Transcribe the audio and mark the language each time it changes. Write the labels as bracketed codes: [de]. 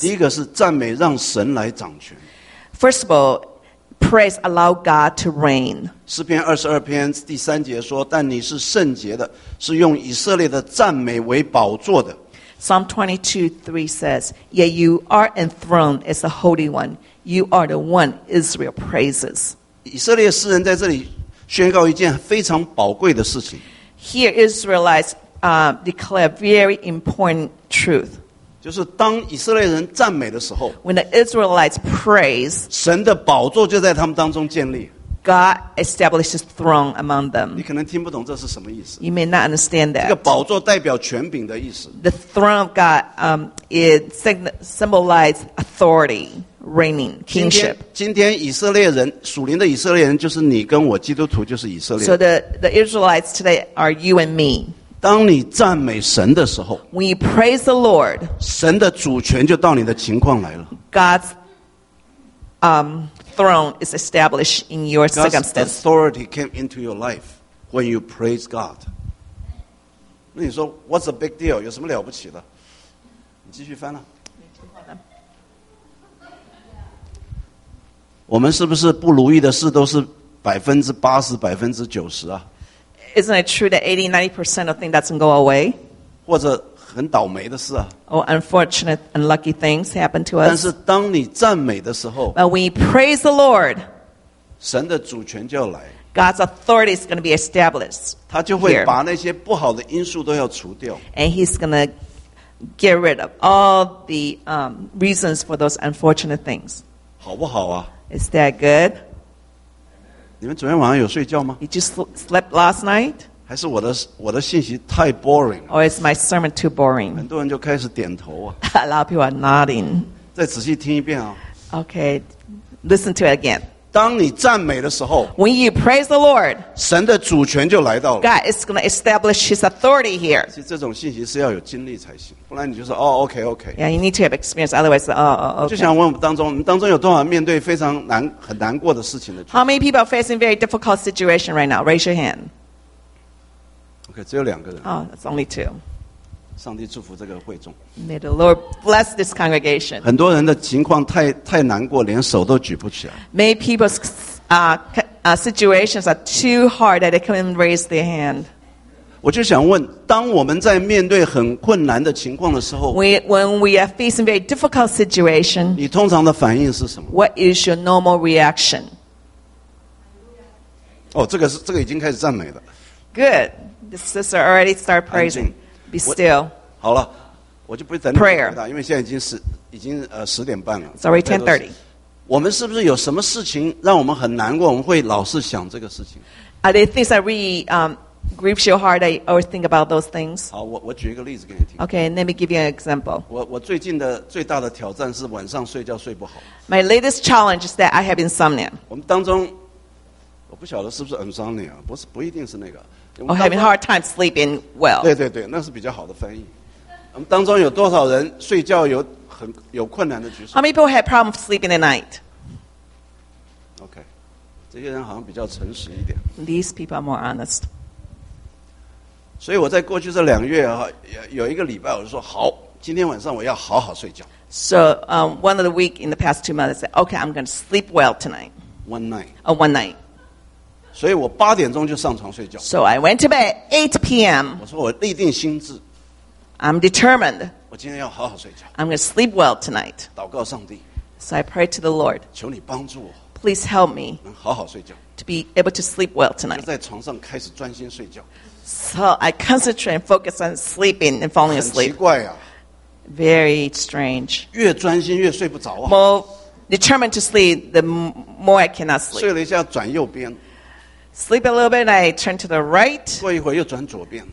[zh] 第一个是赞美让神来掌权。 [en] First of all, praise allow God to reign. [zh] 诗篇二十二篇第三节说，但你是圣洁的，是用以色列的赞美为宝座的。 [en] Psalm 22:3 says, Yet you are enthroned as the Holy One. You are the one Israel praises. [zh] 以色列诗人在这里宣告一件非常宝贵的事情。 [en] Here Israelites declare very important truth. [zh] 就是当以色列人赞美的时候， [en] When the Israelites praise, [zh] 神的宝座就在他们当中建立。 [en] God establishes throne among them. [zh] 你可能听不懂这是什么意思。 [en] You may not understand that. [zh] 这个宝座代表权柄的意思。 [en] The throne of God symbolizes authority, reigning, kingship. [zh] 今天以色列人，属灵的以色列人，就是你跟我，基督徒就是以色列。 [en] So the Israelites today are you and me. [zh] 当你赞美神的时候， [en] When you praise the Lord, [zh] 神的主权就到你的情况来了。 [en] God's throne is established in your circumstance. God's authority came into your life when you praise God. [zh] 那你说 [en] What's the big deal? [zh] 有什么了不起的？你继续翻了。我们是不是不如意的事都是80%, 90%啊？ [en] Isn't it true that 80-90% of things doesn't go away? [zh] 或者很倒霉的事啊。 [en] Oh, unfortunate, unlucky things happen to us. [zh] 但是当你赞美的时候， [en] But when you praise the Lord, [zh] 神的主权就要来。 [en] God's authority is going to be established. [zh] 他就会把那些不好的因素都要除掉。 [en] And he's going to get rid of all the reasons for those unfortunate things. [zh] 好不好啊？ [en] Is that good? [zh] 你们昨天晚上有睡觉吗？ [en] Did you sleep last night? [zh] 还是我的信息太 boring 了。 [en] Oh, is my sermon too boring? [zh] 很多人就开始点头啊。 [en] A lot of people are nodding. [zh] 再仔细听一遍啊。 [en] Okay, listen to it again. [zh] 当你赞美的时候， [en] When you praise the Lord, [zh] 神的主权就来到了。 [en] God is going to establish His authority here. [zh] 其实这种信息是要有经历才行，不然你就说哦 ，okay. [en] Yeah, you need to have experience. Otherwise, okay. [zh] 就想问我们当中，有多少面对非常难很难过的事情的？ [en] How many people are facing very difficult situation right now? Raise your hand. [zh] OK, Okay, 只有两个人。 [en] Oh, it's only two. [zh] 上帝祝福这个会众。 [en] May the Lord bless this congregation. [zh] 很多人的情况太难过，连手都举不起来。 [en] May people's situations are too hard that they couldn't raise their hand. [zh] 我就想问，当我们在面对很困难的情况的时候 [en] ，When we are facing very difficult situation, [zh] 你通常的反应是什么 [en] ？What is your normal reaction? [zh] 哦，这个已经开始赞美了。 [en] Good, the sister already started praising. Be still. [zh] 好了，我就不等你回答，因为现在已经十点半了。 [en] Sorry, 10:30. [zh] 我们是不是有什么事情让我们很难过？我们会老是想这个事情。 [en] Are there things that really grieves your heart? I always think about those things. [zh] 好，我举一个例子给你听。 [en] Okay, let me give you an example. [zh] 我最近的最大的挑战是晚上睡觉睡不好。 [en] My latest challenge is that I have insomnia. [zh] 我们当中，我不晓得是不是 insomnia， 不一定是那个。 [en] Or having a hard time sleeping well. [zh] 对对对，那是比较好的翻译。我们当中有多少人睡觉有困难的举手 [en] ？How many people have problems sleeping at night? [zh] Okay, 这些人好像比较诚实一点。 [en] These people are more honest. [zh] 所以我在过去这两个月啊，有一个礼拜我就说好，今天晚上我要好好睡觉。 [en] So, one of the week in the past 2 months, I said, okay, I'm going to sleep well tonight. One night. One night. [zh] 所以我八点钟就上床睡觉。 [en] So I went to bed at 8 p.m. [zh] 我说我立定心志。 [en] I'm determined. [zh] 我今天要好好睡觉。 [en] I'm going to sleep well tonight. [zh] 祷告上帝。 [en] So I prayed to the Lord. [zh] 求你帮助我。 [en] Please help me. [zh] 能好好睡觉。 [en] To be able to sleep well tonight. [zh] 就在床上开始专心睡觉。 [en] So I concentrate and focus on sleeping and falling asleep. [zh] 很奇怪啊。 [en] Very strange. [zh] 越专心越睡不着啊。 [en] More determined to sleep, the more I cannot sleep. [zh] 睡了一下转右边。 [en] Sleep a little bit, and I turn to the right. [zh] 过一会又转左边。